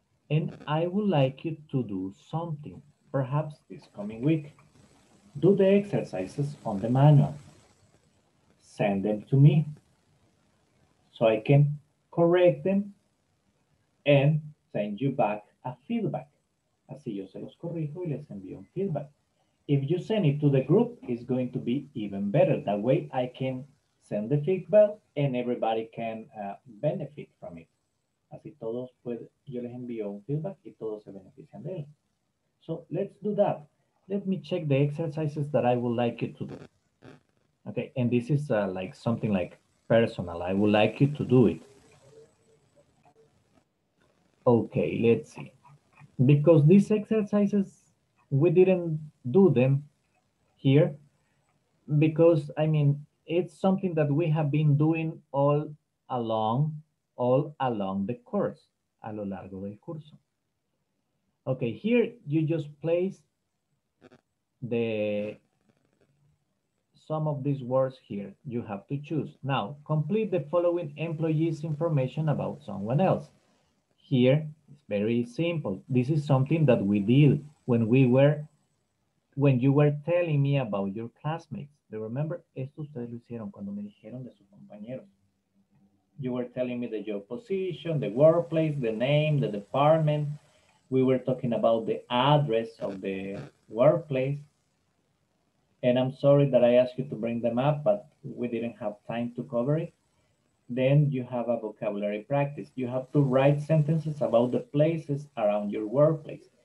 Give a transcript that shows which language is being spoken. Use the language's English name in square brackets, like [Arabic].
[English] And I would like you to do something, perhaps this coming week. Do the exercises on the manual. Send them to me so I can correct them and send you back a feedback. [Spanish] Así yo se los corrijo y les envío un feedback. [English] If you send it to the group, it's going to be even better. That way I can send the feedback and everybody can benefit from it. [Spanish] Así todos, pues, yo les envío un feedback y todos se benefician de él. [English] So let's do that. Let me check the exercises that I would like you to do. Okay, and this is like something like personal. I would like you to do it. Okay, let's see. Because these exercises, we didn't do them here. Because, I mean, it's something that we have been doing all along the course. [Spanish] A lo largo del curso. [English] Okay, here you just place the some of these words here. You have to choose. Now, complete the following employee's information about someone else. Here, it's very simple. This is something that we did when we were, when you were telling me about your classmates. Do you remember? [Spanish] Esto ustedes lo hicieron cuando me dijeron de sus compañeros. [English] You were telling me the job position, the workplace, the name, the department. We were talking about the address of the workplace. And I'm sorry that I asked you to bring them up, but we didn't have time to cover it. Then you have a vocabulary practice. You have to write sentences about the places around your workplace.